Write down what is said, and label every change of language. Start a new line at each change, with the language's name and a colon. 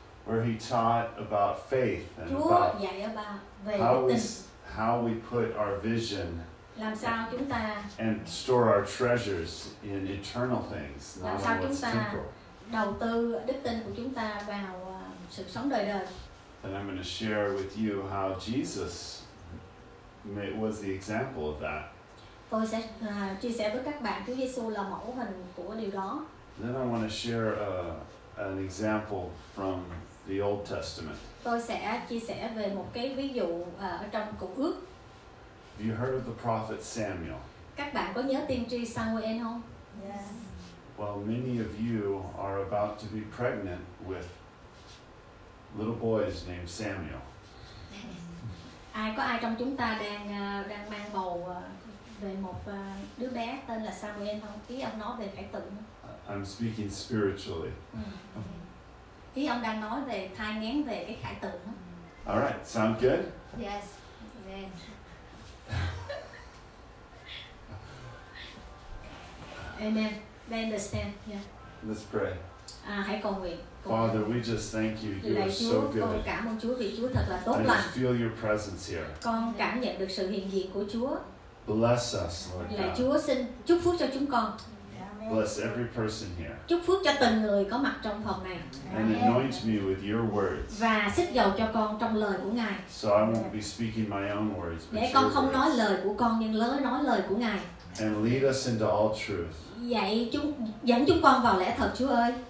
English: Where he taught about faith and
Vietnamese: Chúa
English: about
Vietnamese: dạy về
English: how we put our vision
Vietnamese: làm sao chúng ta
English: and store our treasures in eternal things, not on what's temporal.
Vietnamese: Làm sao chúng ta đầu tư đức tin của chúng ta vào sự sống đời đời.
English: And I'm going to share with you how Jesus was the example of that.
Vietnamese: Tôi sẽ chia sẻ với các bạn Chúa Giêsu là mẫu hình của điều đó.
English: Then I want to share an example from the Old Testament.
Vietnamese: Tôi sẽ chia sẻ về một cái ví dụ ở trong Cựu Ước.
English: Have you heard of the prophet Samuel?
Vietnamese: Các bạn có nhớ tiên tri Samuel không?
English: Yes. Well, many of you are about to be pregnant with little boys named Samuel.
Vietnamese: Ai có ai trong chúng ta đang đang mang bầu về một đứa bé tên là Samuel không? Ý ông nói về khải tượng.
English: I'm speaking spiritually.
Vietnamese: Ý ông đang nói về thai nghén về cái khải tượng.
English: All right, sound good? Yes. Amen. Amen. I understand. Yeah. Let's pray.
Vietnamese: Hãy cầu nguyện.
English: Father, we just thank you. You are so good.
Vietnamese: Con cảm ơn Chúa vì Chúa thật là tốt lành.
English: I just feel your presence here.
Vietnamese: Con cảm nhận được sự hiện diện của Chúa.
English: Bless us, Lord God.
Vietnamese: Lạy Chúa xin chúc phước cho chúng con.
English: Bless every person here.
Vietnamese: Chúc phước cho từng người có mặt trong phòng này.
English: And anoint me with your words.
Vietnamese: Và xích dầu cho con trong lời của Ngài.
English: So I won't be speaking my own words.
Vietnamese: Để con không nói lời của con nhưng lỡ nói lời của Ngài.
English: And lead us into all truth.
Vietnamese: Dạy chúng dẫn chúng con vào lẽ thật, Chúa ơi.